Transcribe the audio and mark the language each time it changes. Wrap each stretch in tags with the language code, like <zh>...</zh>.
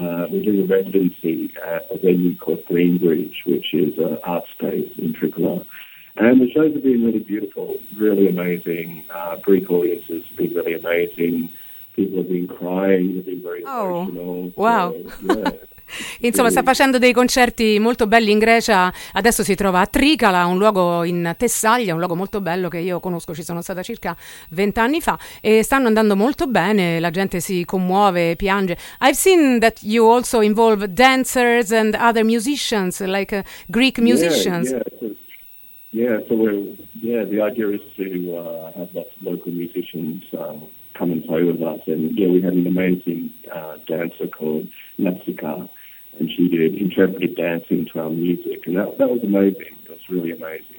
<en>We're doing a residency at a venue called Greenbridge, which is an art space in Trikola. And the shows have been really beautiful, really amazing. Greek audiences have been really amazing. People have been crying, they've been very emotional. Wow.</en> <it>So, Insomma, sta facendo dei concerti molto belli in Grecia. Adesso si trova a Trikala, un luogo in Tessaglia, un luogo molto bello che io conosco, ci sono stata circa 20 anni fa, e stanno andando molto bene, la gente si commuove, piange.</it> <en>I've seen that you also involve dancers and other musicians, like Greek musicians. The idea is to have lots of local musicians come and play with us. And yeah, we had an amazing dancer called Natsika, and she did interpretive dancing to our music, and that was amazing. It was really amazing.</en>